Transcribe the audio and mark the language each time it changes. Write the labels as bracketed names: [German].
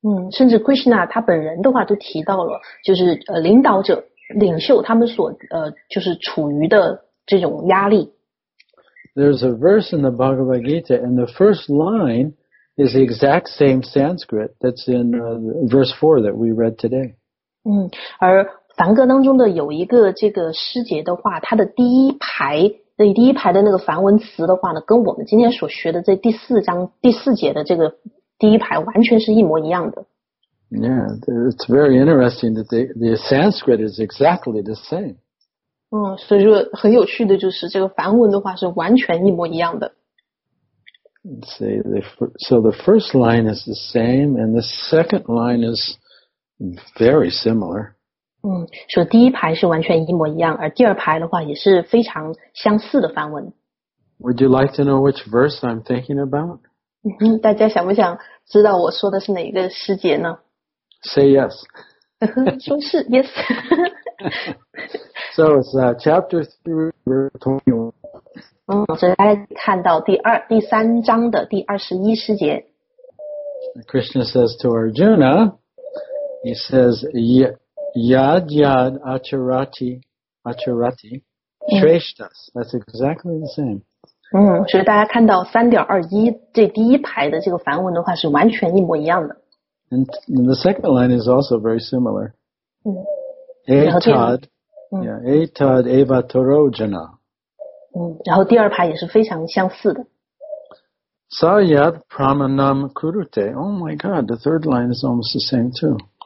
[Chinese] 甚至 Krishna 他本人的话都提到了就是领导者领袖他们所就是处于的这种压力。 [English] There's a verse in the Bhagavad Gita, and the first line is the exact same Sanskrit that's in verse 4 that we read today. [Chinese] 而梵歌当中的有一个这个诗节的话，它的第一排那第一排的那个梵文词的话呢，跟我们今天所学的这第四章第四节的这个第一排完全是一模一样的。 [English] Yeah, it's very interesting that the Sanskrit is exactly the same. [Chinese] 嗯，所以说很有趣的就是这个梵文的话是完全一模一样的。 [English] So the first line is the same, and the second line is very similar. [Chinese] 嗯，所以第一排是完全一模一样，而第二排的话也是非常相似的梵文。 [English] Would you like to know which verse I'm thinking about? [Chinese] 大家想不想知道我说的是哪一个诗节呢？ [English] Say yes. [Chinese] 说是 yes. [English] So it's chapter 3, verse 21. [Chinese] 所以大家看到第三章的第21诗节。 [English] Krishna says to Arjuna, he says, [Sanskrit] Yad Yad Acharati Acharati Shreshtas. [English] That's exactly the same. [Chinese] 所以大家看到 3.21 这第一排的这个梵文的话是完全一模一样的。 [English] And the second line is also very similar. [Sanskrit] Etad, yeah, Etad Eva Torojana. [Chinese] 然后第二排也是非常相似的。 [Sanskrit] Sayad Pramanam Kurute. [English] Oh my god, the third line is almost the same too.